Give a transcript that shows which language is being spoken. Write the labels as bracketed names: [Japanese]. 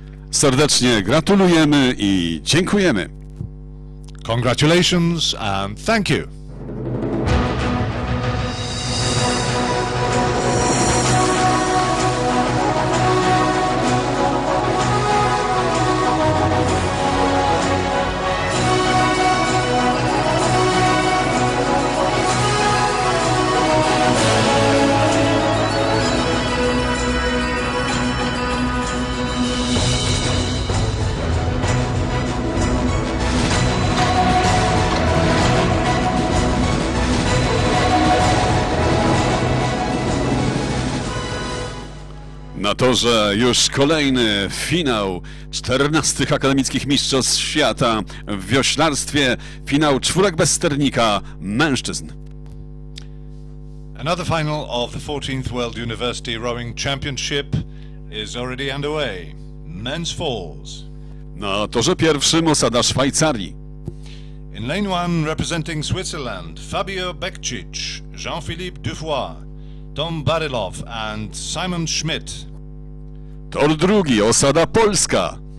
[Polish] Serdecznie gratulujemy i dziękujemy. [English] Congratulations and thank you. [Polish] To, że już kolejny finał 14 akademickich mistrzostw świata w wioślarstwie, finał czwórek bez sternika mężczyzn. [English] Another final of the 14th World University Rowing Championship is already underway. Men's fours. [Polish] Na torze pierwszym osada Szwajcarii. [English] In lane one, representing Switzerland, Fabio Bekcic, Jean-Philippe Dufoy, Tom Barilov and Simon Schmidt. [Polish] Tor drugi, osada polska.